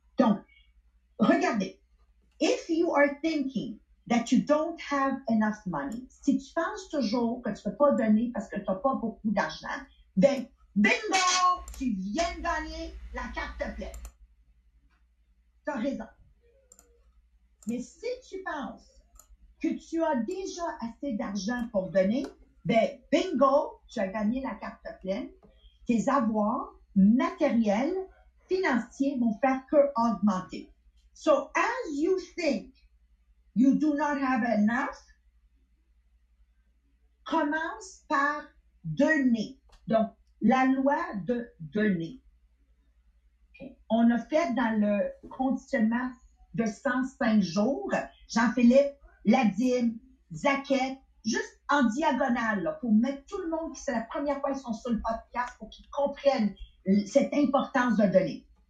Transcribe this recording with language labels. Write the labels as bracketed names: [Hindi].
[French] Donc, regardez. « [English] If you are thinking that you don't have enough money, [French] » si tu penses toujours que tu ne peux pas donner parce que tu n'as pas beaucoup d'argent, ben, bingo, tu viens de gagner la carte pleine. Tu as raison. Mais si tu penses que tu as déjà assez d'argent pour donner, ben, bingo, tu as gagné la carte pleine. Tes avoirs matériels, financiers vont faire que augmenter. [English] So, as you think you do not have enough, [French] commence par donner. Donc, la loi de donner. [English] OK? [French] on a fait dans le conditionnement de 105 jours, Jean-Philippe, Ladine, Zaquette, juste en diagonale, là, pour mettre tout le monde qui c'est la première fois qu'ils sont sur le podcast pour qu'ils comprennent cette importance de donner.